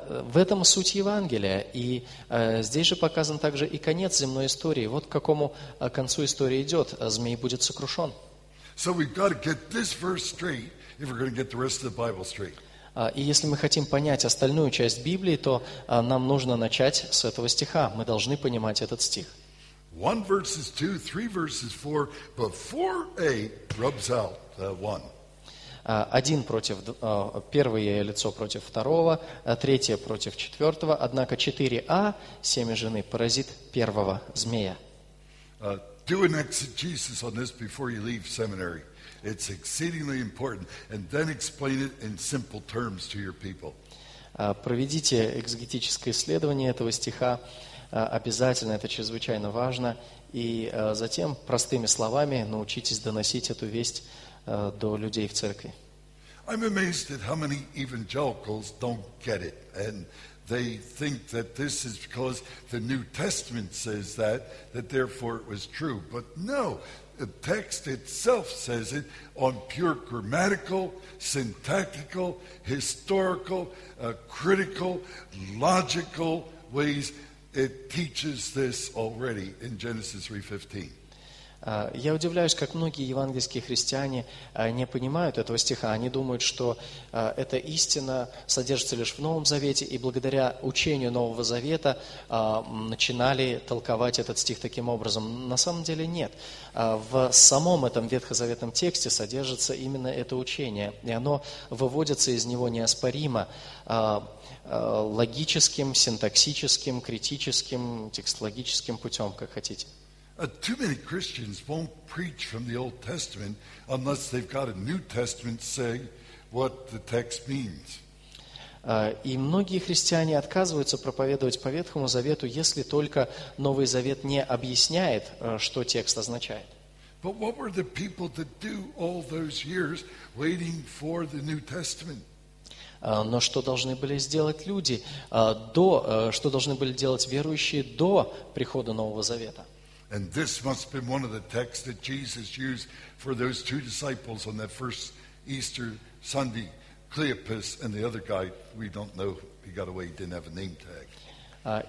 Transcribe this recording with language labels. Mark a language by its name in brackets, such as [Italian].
[Russian] В этом суть Евангелия, и здесь же показан также и конец земной истории. Вот к какому концу история идет. Змей будет сокрушен. [English] So we've got to get this verse straight if we're going to get the rest of the Bible straight. [Russian] И если мы хотим понять остальную часть Библии, то нам нужно начать с этого стиха. Мы должны понимать этот стих. [English] One verse is two, three verses four, but 4A rubs out one. [Russian] Один против, первое лицо против второго, третье против четвертого, однако 4A, семя жены, поразит первого змея. [English] Do an exegesis on this before you leave seminary. It's exceedingly important. And then explain it in simple terms to your people. [Russian] Проведите экзегетическое исследование этого стиха. Обязательно, это чрезвычайно важно. И затем, простыми словами, научитесь доносить эту весть до людей в церкви. [English] I'm amazed at how many evangelicals don't get it. And They think that this is because the New Testament says that, that therefore it was true. But no, the text itself says it on pure grammatical, syntactical, historical, critical, logical ways. It teaches this already in Genesis 3:15. [Russian] Я удивляюсь, как многие евангельские христиане не понимают этого стиха. Они думают, что эта истина содержится лишь в Новом Завете, и благодаря учению Нового Завета начинали толковать этот стих таким образом. На самом деле нет. В самом этом ветхозаветном тексте содержится именно это учение, и оно выводится из него неоспоримо логическим, синтаксическим, критическим, текстологическим путем, как хотите. [English] Too many Christians won't preach from the Old Testament unless they've got a New Testament say what the text means. [Russian] И многие христиане отказываются проповедовать по Ветхому Завету, если только Новый Завет не объясняет, что текст означает. [English] But what were the people to do all those years waiting for the New Testament? [Russian] Но что должны были сделать люди до, что должны были делать верующие до прихода Нового Завета? [English] And this must have been one of the texts that Jesus used for those two disciples on that first Easter Sunday, Cleopas and the other guy, we don't know, he got away, he didn't have a name tag.